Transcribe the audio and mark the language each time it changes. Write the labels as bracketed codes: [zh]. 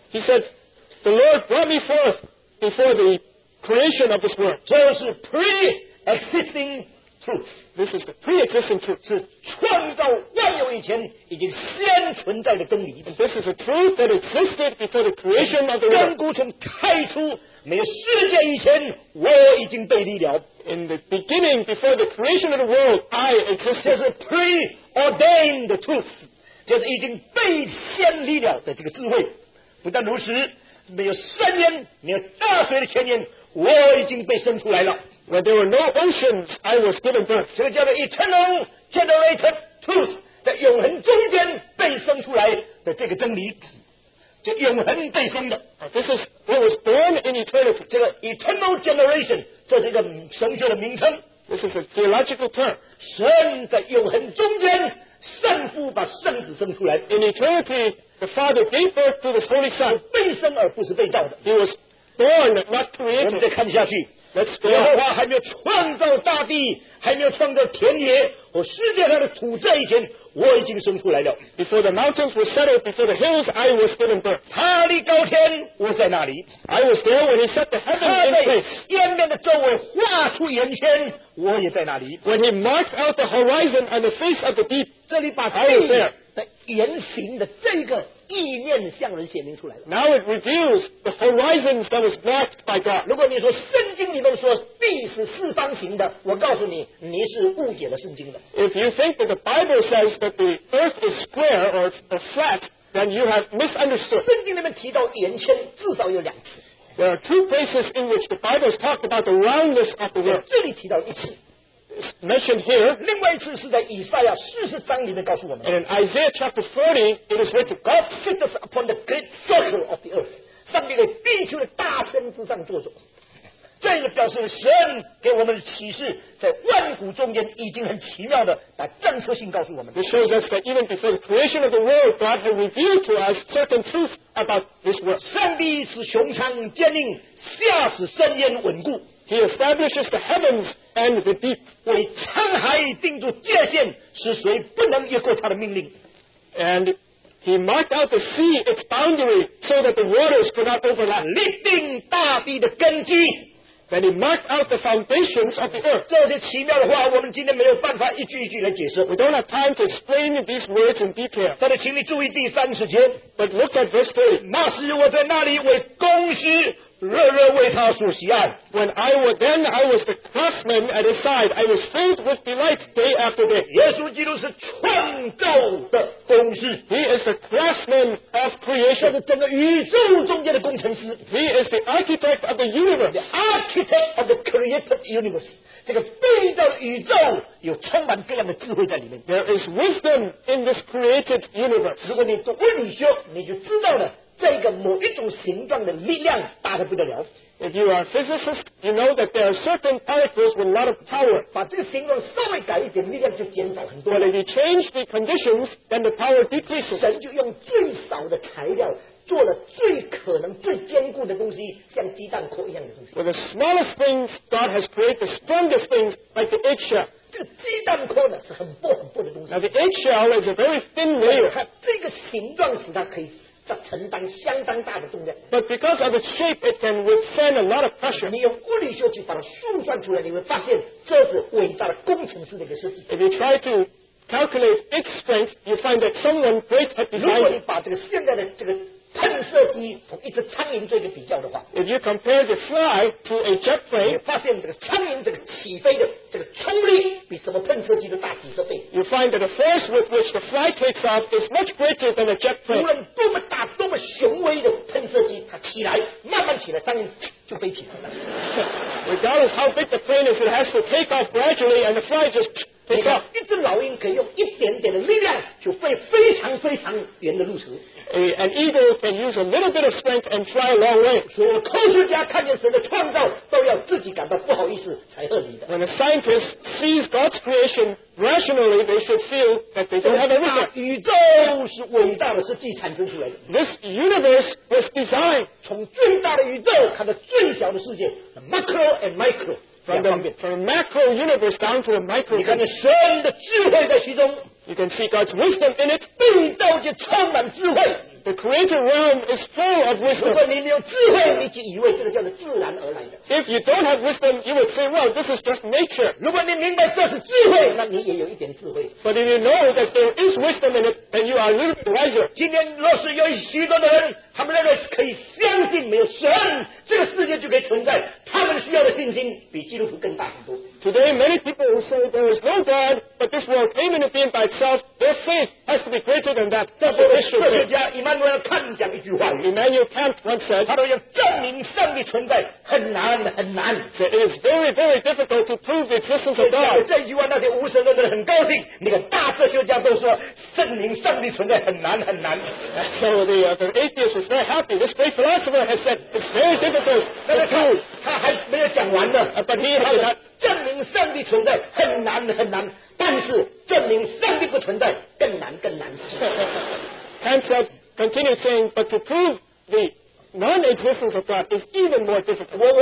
[en] He said, the Lord brought me forth before the creation of this world. [zh] 这是 [en] pre-existing truth. This is the pre-existing truth. [zh] 是创造万有以前已经先存在的真理。 [en] This is a truth that existed before the creation of the world. [zh] 亘古从开初没有世界以前，我已经被立了。 [en] In the beginning, before the creation of the world, I existed. [zh] 这是 [en] pre-ordained truth. [zh] 就是已经被先立了的这个智慧。不但如此， 没有深渊，没有大水的前沿，我已经被生出来了。 [en] When there were no oceans, I was given birth. [zh] 这个叫做 [en] eternal generated truth， [zh] 在永恒中间被生出来的这个真理，就永恒被生的。 [en] This is what was born in eternity. [zh] 这个 [en] eternal generation， [zh] 这是一个神学的名称。 [en] This is a theological term. [zh] 神在永恒中间，圣父把圣子生出来。 [en] In eternity, the Father gave birth to the Holy Son. [zh] 被生而不是被造的。 [en] He was born, not created. [zh] 我们再看下去。 [en] Let's go. [zh] 耶和华还没有创造大地，还没有创造田野和世界上的土在以前，我已经生出来了。 [en] Before the mountains were settled, before the hills, I was given birth. [zh] 他立高天，我在哪里 [en] ？I was there when he set the heavens in place. [zh] 天边的周围画出圆圈，我也在哪里 [en] ？When he marked out the horizon and the face of the deep, [zh] 这里把地的圆形的这个意念向人显明出来了。 [en] Now it reveals the horizons that was blocked by God. [zh] 如果你说圣经里面说地是四方形的，我告诉你，你是误解了圣经的。 [en] If you think that the Bible says that the earth is square or flat, then you have misunderstood. [zh] 圣经里面提到圆圈至少有两次。 [en] There are two places in which the Bible is talked about the roundness of the world. [zh] 这里提到一次。 [en] Mentioned here, [zh] 另外一次是在以赛亚四十章里面告诉我们。 [en] And in Isaiah chapter 40, it is written, God sits upon the great circle of the earth. [zh] 上帝在地球的大圈之上坐着。这个表示神给我们的启示，在万古中间已经很奇妙的把政策性告诉我们。 [en] It shows us that even before the creation of the world, God had revealed to us certain truths about this world. [zh] 上帝使穹苍坚定，下使深渊稳固。 [en] He establishes the heavens and the deep. [zh] 为沧海定住界限，使水不能越过他的命令。 [en] And he marked out the sea its boundary so that the waters could not overlap. [zh] 立定大地的根基。 [en] And he marked out the foundations of the earth. [zh] 这些奇妙的话，我们今天没有办法一句一句来解释。 [en] We don't have time to explain these words in detail. [zh] 但是，请你注意第三十节。 [en] But look at verse 3. [zh] 那时我在那里为公事。热热为他所喜爱。 [en] When I was then, I was the craftsman at his side. I was filled with delight day after day. [zh] 耶稣基督是创造的工师。 [en] He is the craftsman of creation. [zh] 他是整个宇宙中间的工程师。 [en] He is the architect of the universe. The architect of the created universe. [zh] 这个被造宇宙有充满各样的智慧在里面。 [en] There is wisdom in this created universe. [zh] 如果你读物理学，你就知道了。这个某一种形状的力量大得不得了。 [en] If you are a physicist, you know that there are certain particles with a lot of power. [zh] 把这个形状稍微改一点，力量就减少很多。 [en] But if you change the conditions, then the power decreases. [zh] 神就用最少的材料做了最可能最坚固的东西，像鸡蛋壳一样的东西。 [en] With the smallest things, God has created the strongest things, like the eggshell. [zh] 这个鸡蛋壳呢是很薄很薄的东西。 [en] Now the eggshell is a very thin layer. [zh] 它这个形状使它可以。它承担相当大的重量。 [en] But because of its shape, it can withstand a lot of pressure. [zh] 你用物理学去把它速算出来，你会发现这是伟大的工程师的一个设计。 [en] If you try to calculate its strength, you find that someone great had designed it. [zh] 如果你把这个现在的这个喷射机同一只苍蝇做一个比较的话 [en] ，If you compare the fly to a jet plane, [zh] 你发现这个苍蝇这个起飞的这个冲力比什么喷射机都大几十倍。 [en] You find that the force with which the fly takes off is much greater than a jet plane. [zh] 无论多么大、多么雄伟的喷射机，它起来慢慢起来，苍蝇就飞起来了。 [en] Regardless how big the plane is, it has to take off gradually, and the fly just [zh] 你看，一只老鹰可以用一点点的力量就飞非常非常远的路程。 [en] An eagle can use a little bit of strength and fly a long way. [zh] 所以科学家看见神的创造，都要自己感到不好意思才合理的。 [en] When a scientist sees God's creation rationally, they should feel that they don't have a right. [zh] 宇宙是伟大的设计产生出来的。 [en] This universe was designed. [zh] 从最大的宇宙看到最小的世界 ， [en] macro and micro。 From the macro universe down to the micro. [zh] 你看见神的智慧在其中。 [en] You can see God's wisdom in it. [zh] 地道就充满智慧。 [en] The created realm is full of wisdom. [zh] 如果你没有智慧，你就以为这个叫做自然而来的。 [en] If you don't have wisdom, you would say, "Well, this is just nature." [zh] 如果你明白这是智慧，那你也有一点智慧。 [en] But if you know that there is wisdom in it, then you are a little wiser. [zh] 今天若是有许多的人，他们认为可以相信没有神，这个世界就可以存在，他们需要的信心比基督徒更大很多。 [en] Today, many people who say there is no God, but this world came into being by itself, their faith has to be greater than that. [zh] 这是科学家伊曼纽尔·康讲一句话。 [en] Immanuel Kant once said, [zh] 他说要证明上帝存在很难很难。 [en] So it is very, very difficult to prove the existence of God. [zh] 这句话那些无神论者很高兴，那个大科学家都说证明上帝存在很难很难。 [en] So the atheists were is very happy. This great philosopher has said it's very difficult to prove. But he has not. [zh] 证明上帝存在很难很难, 但是证明上帝不存在更难更难. [en] Kant says, continue saying, but to prove the non-existence of God is even more difficult.